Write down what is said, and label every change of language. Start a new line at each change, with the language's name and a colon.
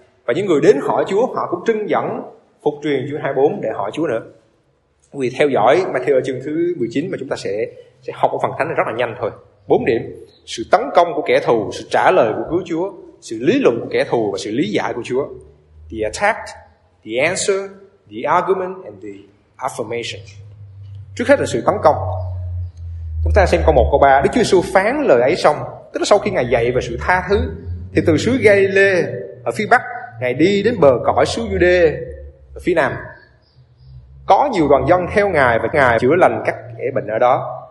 Vietnamese: Và những người đến hỏi Chúa, họ cũng trưng dẫn phục truyền chương 24 để hỏi Chúa nữa. Vì theo dõi Matthew chương thứ 19 mà chúng ta sẽ học ở phần thánh này rất là nhanh thôi. 4 điểm: sự tấn công của kẻ thù, sự trả lời của Cứu Chúa, sự lý luận của kẻ thù và sự lý giải của Chúa.
English: The attack, the answer, the argument and the affirmation.
Vietnamese: Trước hết là sự tấn công. Chúng ta xem câu 1, câu 3. Đức Chúa Giêsu phán lời ấy xong, tức là sau khi Ngài dạy về sự tha thứ, thì từ xứ Ga-li-lê ở phía Bắc, Ngài đi đến bờ cõi xứ Giu-đê ở phía Nam. Có nhiều đoàn dân theo Ngài và Ngài chữa lành các kẻ bệnh ở đó.